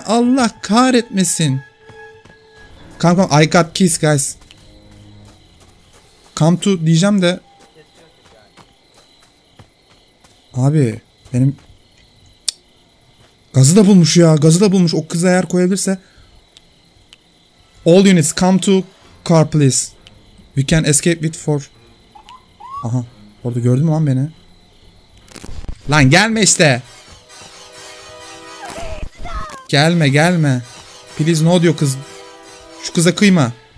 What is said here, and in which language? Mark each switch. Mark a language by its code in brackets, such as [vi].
[tr] Allah kahretmesin. [en] Come. I got keys guys. Come to [tr] diyeceğim de. Abi. Benim. Gazı da bulmuş ya. Gazı da bulmuş. O kıza eğer koyabilirse. [en] All units come to car please. We can escape with four. Aha. [tr] Orada gördün mü lan beni? Lan gelme işte. Gelme gelme. [en] Please no [tr] diyor kız. Şu kıza kıyma.